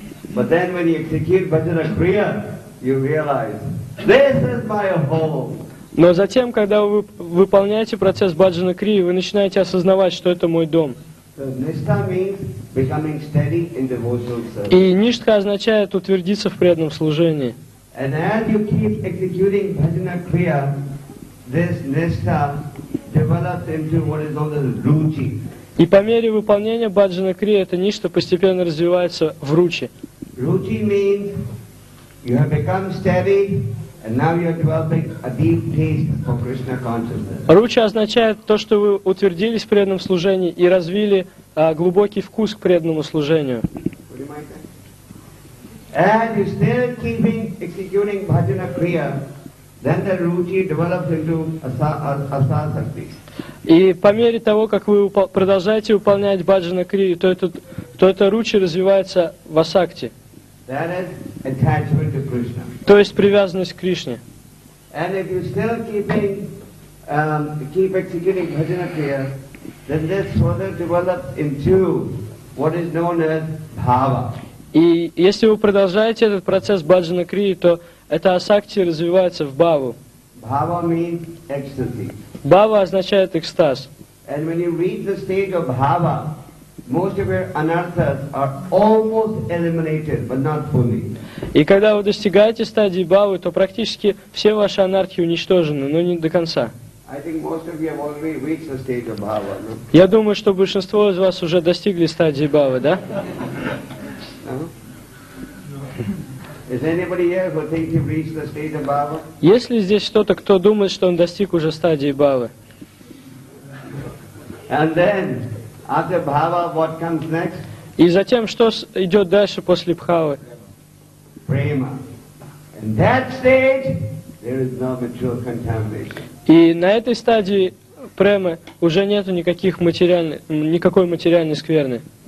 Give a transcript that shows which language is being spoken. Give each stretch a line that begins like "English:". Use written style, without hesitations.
English: But then when you execute bhajana kriya, you realize this is my home.
Russian: Но затем, когда вы выполняете процесс баджана крии, вы начинаете осознавать, что это мой дом. И ништха означает утвердиться в преданном служении. И по мере выполнения баджана крии эта ништха постепенно развивается в ручи.
English: Ручи means you have become steady and now you are developing a deep taste for Krishna consciousness.
Russian: Ручи означает то, что вы утвердились в преданном служении и развили глубокий вкус к преданному служению.
English: And you still keeping executing bhajana kriya, then the ruchi develops into asa-sakti.
Russian: И по мере того, как вы продолжаете выполнять баджана крию, то это ручи развивается в асакти.
English: That is attachment to Krishna.
Russian: То есть привязанность к Кришне.
English: And if you still keeping keep executing bhajana kriya, then this further develops into what is known as bhava.
Russian: И если вы продолжаете этот процесс баджана крии, то эта асакти развивается в бхаву.
English: Bhava means ecstasy.
Russian: Бхава означает экстаз.
English: And when you reach the stage of bhava, most of your anarthas are almost eliminated, but not fully.
Russian: И когда вы достигаете стадии бхавы, то практически все ваши анархи уничтожены, но не до конца.
English: I think most of you have already reached the stage of bhava, no?
Russian: Я думаю, что большинство из вас уже достигли стадии бхавы, да?
English: Is anybody here who thinks he reached the stage of bhava?
Russian: Есть ли здесь кто-то, кто думает, что он достиг уже стадии бхавы?
English: And then, after bhava, what comes next?
Russian: И затем, что идет дальше после бхавы?
English: Prema. In that stage, there is no material contamination.
Russian: И на этой стадии премы уже нету никакой материальной скверны.